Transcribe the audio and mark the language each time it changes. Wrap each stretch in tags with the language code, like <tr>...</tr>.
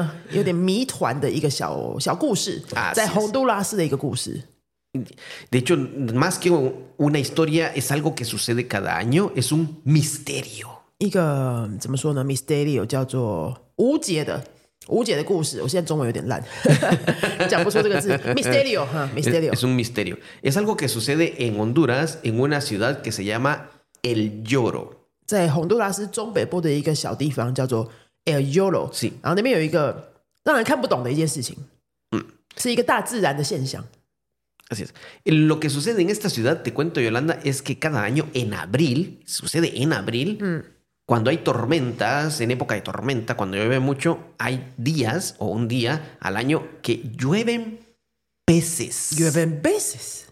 <zh>有点谜团的一个小故事，在洪都拉斯的一个故事。</zh> <es>De hecho, más que una historia, es algo que sucede cada año, es un misterio.</es> <zh>一个怎么说呢 ？Misterio 叫做无解的。无解的故事，我现在中文有点烂，讲不出这个字。</zh> <es>Misterio, misterio. Es un misterio. Es algo que sucede en Honduras, en una ciudad que se llama El Lloro.</es> <zh>在洪都拉斯中北部的一个小地方叫做 El Lloro、</zh> <es>sí.</es> <zh>然后那边有一个让人看不懂的一件事情、嗯、是一个大自然的现象</zh> <es>Así es. Lo que sucede en esta ciudad, te cuento Yolanda, es que cada año en abril sucede en abril、嗯、cuando hay tormentas, en época de tormenta cuando llueve mucho, hay días o un día al año que llueven peces. ¿Llueven peces?</es>